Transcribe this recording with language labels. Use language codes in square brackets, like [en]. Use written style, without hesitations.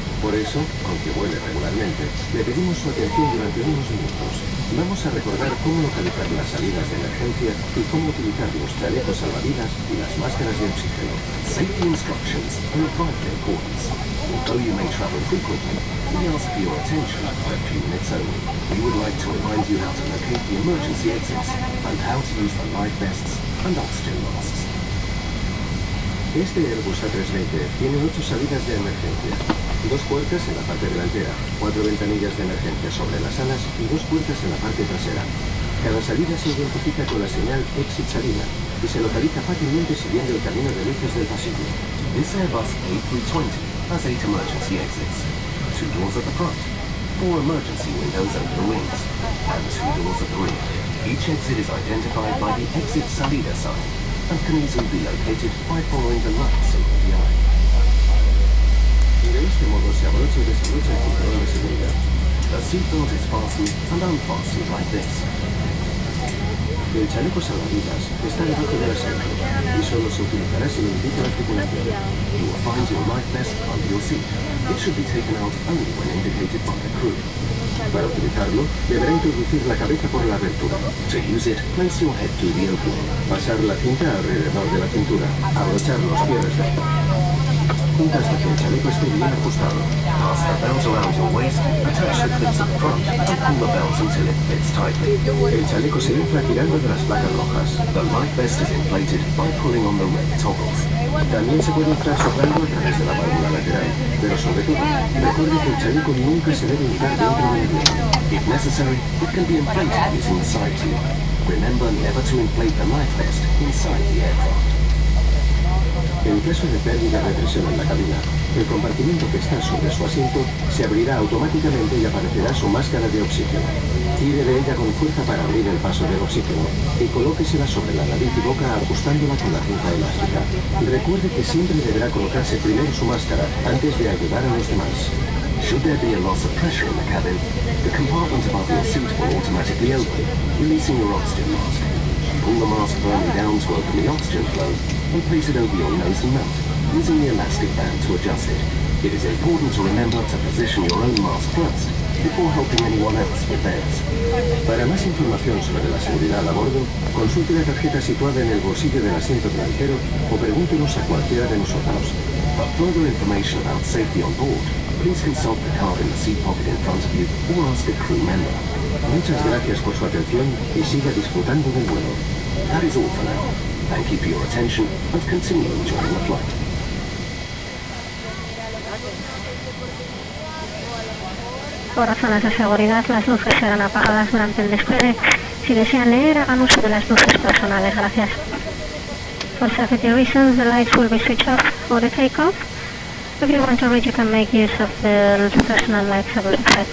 [es] Por eso, aunque vuele regularmente, le pedimos su atención durante unos minutos. Vamos a recordar cómo localizar las salidas de emergencia y cómo utilizar los chalecos salvavidas y las máscaras de oxígeno. [en] Safety instructions and avoid the points. Although you may travel frequently, we ask for your attention for a few minutes only. We would like to remind you how to locate the emergency exits and how to use the life vests and oxygen masks. [es] Este Airbus A320 tiene 8 salidas de emergencia. 2 puertas en la parte delantera, 4 ventanillas de emergencia sobre las alas y 2 puertas en la parte trasera. Cada salida se identifica con la señal Exit Salida y se localiza fácilmente siguiendo el camino de luces del pasillo. [en] This Airbus A320 has 8 emergency exits. 2 doors at the front, 4 emergency windows under the wings, and 2 doors at the rear. Each exit is identified by the Exit Salida sign. And can easily be located by following the lights over the eye. [es] De este modo se abrocha y desabrocha el cinturón de seguridad. [en] The seatbelt is fastened and unfastened like this. [es] El chaleco salvavidas está debajo del asiento y solo se utilizará si lo indica la tripulación. [en] You will find your life vest under your seat. It should be taken out only when indicated by the crew. [es] Para utilizarlo, deberá introducir la cabeza por la abertura. [en] To use it, place your head through the opening. [es] Pasar la cinta alrededor de la cintura. Abrochar los pies. Junta hasta que el chaleco esté bien ajustado. [en] Pass the belt around your waist, attach the clips at the front, and pull the belt until it fits tightly. [es] El chaleco se infla tirando de las placas rojas. [en] The life vest is inflated by pulling on the red toggles. [es] También se puede inflar soplando a través de la válvula lateral, pero sobre todo, recuerde que el chaleco nunca se debe inflar dentro de un avión. [en] If necessary, it can be inflated using the side tube. Remember never to inflate the life vest inside the aircraft. [es] En caso de pérdida de presión en la cabina, el compartimiento que está sobre su asiento se abrirá automáticamente y aparecerá su máscara de oxígeno. Tire de ella con fuerza para abrir el paso del oxígeno y colóquesela sobre la nariz y boca ajustándola con la cinta elástica. Recuerde que siempre deberá colocarse primero su máscara antes de ayudar a los demás. [en] Should there be a loss of pressure in the cabin, the compartment above your seat will automatically open, releasing your oxygen mask. Pull the mask firmly down to open the oxygen flow and place it over your nose and mouth, using the elastic band to adjust it. It is important to remember to position your own mask first before helping anyone else with theirs. [es] Para más información sobre la seguridad a bordo, consulte la tarjeta situada en el bolsillo del asiento delantero o pregúntenos a cualquiera de nosotros. [en] For further information about safety on board, please consult the card in the seat pocket in front of you or ask a crew member. [es] Muchas gracias por su atención y siga disfrutando del vuelo. [en] That is all for now. Thank you for your attention and continue enjoying the flight. [es] por razones de seguridad, las luces serán apagadas durante el despegue. Si desean leer, hagan uso de las luces personales. Gracias. [en] For safety reasons, the lights will be switched off for the takeoff. If you want to reach, you can make use of the personal lights of the flight.